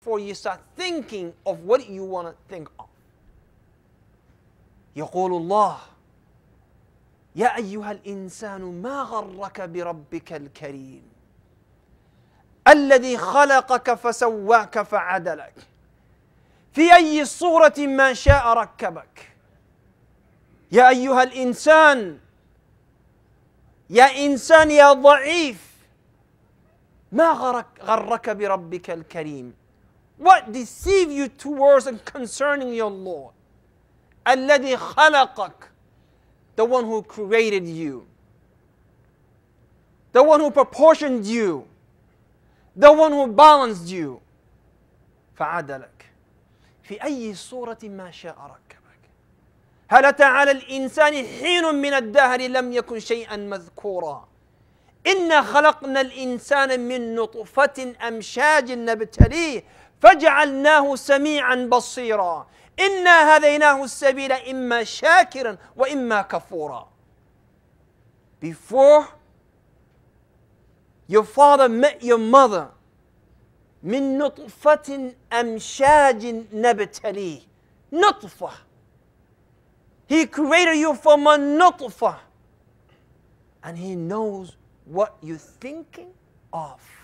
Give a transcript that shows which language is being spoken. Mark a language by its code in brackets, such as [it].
[en] before you start thinking of what you want to think of. [ar] يقول الله يا أيها الإنسان ما غرك بربك الكريم الذي خلقك فسواك فعدلك في أي صورة ما شاء ركبك يا أيها الإنسان يا إنسان يا ضعيف ما غرك بربك الكريم. [en] What deceive you towards and concerning your Lord? [ar] الذي خلقك, [en] the one who created you, the one who proportioned you, the one who balanced you, [ar] فعدلك في أي صورة ما شاء ركبك. هل تعالى الإنسان حين من الدهر لم يكن شيئا مذكورا إنا خلقنا الإنسان من نطفة أمشاج نبتليه فجعلناه سميعا بصيرا إنا هديناه السبيل إما شاكرا وإما كفورا. [en] Before your father met your mother, [ar] من نطفة أمشاج نبتليه, نطفة. [en] He created you from a نطفة, and he knows what you're thinking of.